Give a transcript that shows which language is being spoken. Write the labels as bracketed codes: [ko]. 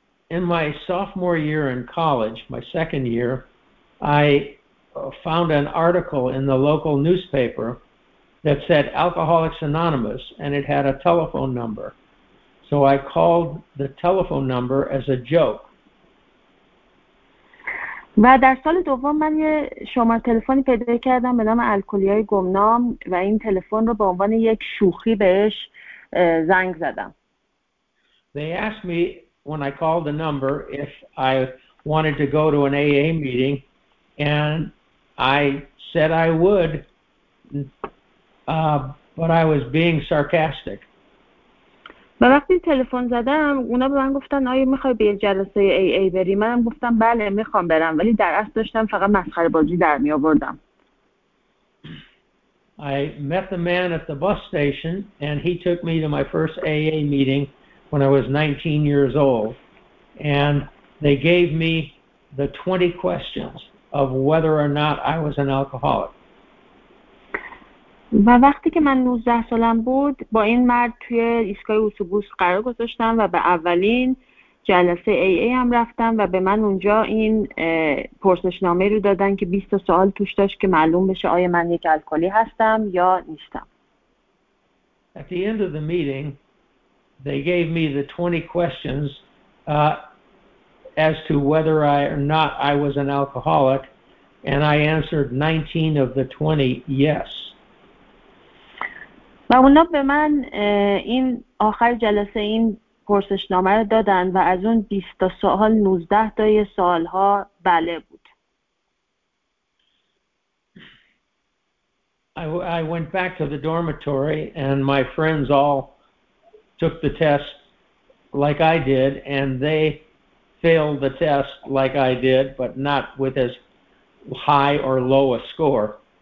[en] In my sophomore year in college, my second year, I found an article in the local newspaper that said Alcoholics Anonymous, and it had a telephone number. So I called the telephone number as a joke. [fa] و در سال دوم من یه شماره تلفنی پیدا کردم به نام الکلیای گمنام و این تلفن رو به عنوان یک شوخی بهش زنگ زدم. [en] They asked me when I called the number if I wanted to go to an AA meeting, and I said I would. But I was being sarcastic. [fa] و وقتی تلفن زدم اونا به من گفتن آیا میخوای به جلسه AA بری؟ منم گفتم بله میخوام برم ولی در اصل داشتم فقط مسخره بازی در می آوردم. [en] I met the man at the bus station and he took me to my first AA meeting when I was 19 years old, and they gave me the 20 questions of whether or not I was an alcoholic. [fa] و وقتی که من 19 سالم بود با این مرد توی ایستگاه اتوبوس قرار گذاشتم و به اولین جلسه AA هم رفتم و به من اونجا این پرسشنامه رو دادن که 20 سوال توش داشت که معلوم بشه آیا من یک الکلی هستم یا نیستم. [en] At the end of the meeting they gave me the 20 questions as to whether I or not I was an alcoholic, and I answered 19 of the 20 yes. [fa] و اونا به من این آخر جلسه این پرسشنامه رو دادن و از اون 20 تا سوال 19 تا سوال ها بله بود. [en] I went back to the dormitory and my friends all took the test like I did, and they failed the test like I did, but not with as high or low a score.